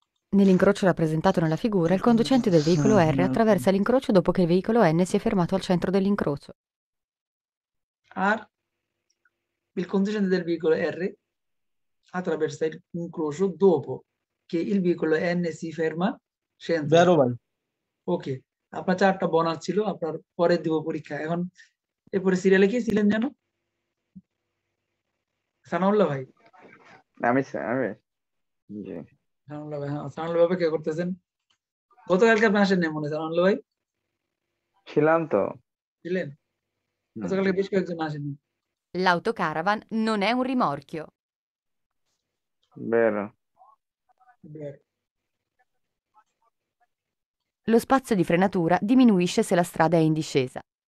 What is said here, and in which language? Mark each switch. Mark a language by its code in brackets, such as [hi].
[it] Nell'incrocio rappresentato nella figura, il conducente del veicolo R attraversa l'incrocio dopo che il veicolo N si è fermato al centro dell'incrocio. R. Il conducente del veicolo R attraversa l'incrocio dopo che il veicolo N si ferma centro. Vero, vero. Ok. [bn] আপনার চারটা bonus ছিল, আপনার পরে দিব পরীক্ষা। এখন এরপরে সিরিয়ালে কি ছিলেন জানো? সানাউল্লাহ ভাই আমি স্যার সানাউল্লাহ ভাই। হ্যাঁ সানাউল্লাহ ভাই কে করতেছেন? গতকালকে আপনি আসেন নাই মনে সানাউল্লাহ ভাই ছিলাম তো ছিলেন গতকালকে, বেশ কয়েকজন আসেন। [it] L'auto caravan non è un rimorchio. Vero. Lo spazio di frenatura diminuisce se la strada è in discesa.